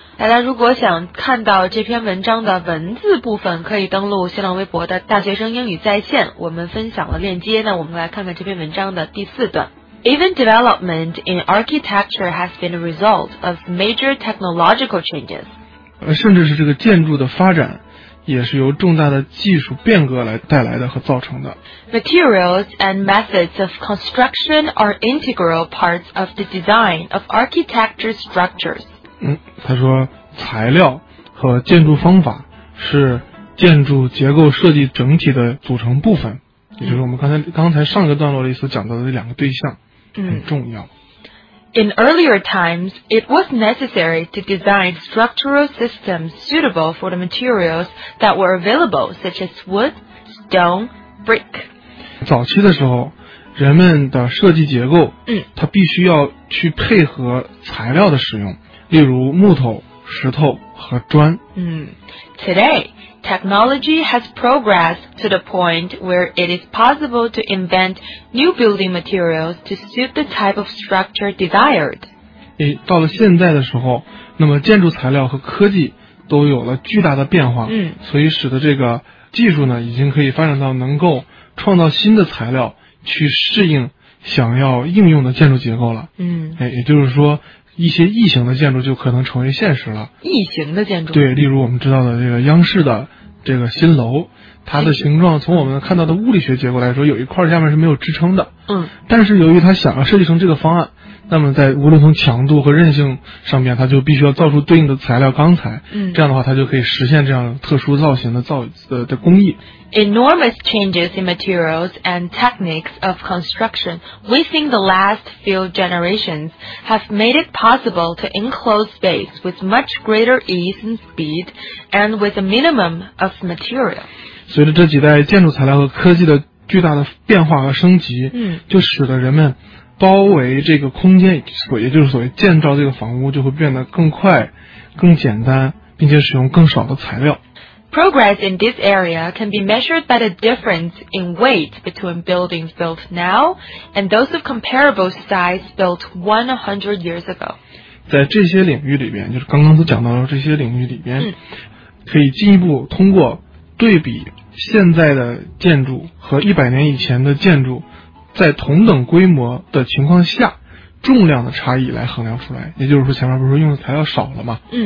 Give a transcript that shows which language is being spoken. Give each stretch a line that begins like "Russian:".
Chinese: 大家如果想看到这篇文章的文字部分，可以登录新浪微博的大学生英语在线，我们分享了链接。那我们来看看这篇文章的第四段。
English: Even development in architecture has been a result of major technological changes.
Chinese: 甚至是这个建筑的发展也是由重大的技术变革来带来的和造成的。
English: Materials and methods of construction are integral parts of the design of architecture structures.
Chinese: 他说材料和建筑方法是建筑结构设计整体的组成部分，也就是我们刚才上一个段落里所讲到的两个对象很重要。
English: In earlier times, it was necessary to design structural systems suitable for the materials that were available, such as wood, stone, brick.
Chinese: 早期的时候，人们的设计结构，它必须要去配合材料的使用，例如木头、石头和砖。
English: Today, technology has progressed to the point where it is possible to invent new building materials to suit the type of structure desired.
Chinese: 到了现在的时候，那么建筑材料和科技都有了巨大的变化，所以使得这个技术呢，已经可以发展到能够创造新的材料去适应想要应用的建筑结构了。也就是说一些异形的建筑就可能成为现实了。异形的建筑，对，例如我们知道的这个央视的这个新楼，它的形状从我们看到的物理学结构来说，有一块下面是没有支撑的。但是由于它想要设计成这个方案，那么在无论从强度和韧性上面，它就必须要造出对应的材料钢材。这样的话，它就可以实现这样特殊造型的工艺。
English: Enormous changes in materials and techniques of construction within the last few generations have made it possible to enclose space with much greater ease and speed and with a minimum of material.
Chinese: 随着这几代建筑材料和科技的巨大的变化和升级，就使得人们包围这个空间，也就是所谓建造这个房屋，就会变得更快、更简单，并且使用更少的材料。
English: Progress in this area can be measured by the difference in weight between buildings built now and those of comparable size built 100 years ago.
Chinese: 在这些领域里边，就是刚刚都讲到的这些领域里边，可以进一步通过对比现在的建筑和100年以前的建筑，在同等规模的情况下重量的差异来衡量出来，也就是说前面不是用的材料少了吗？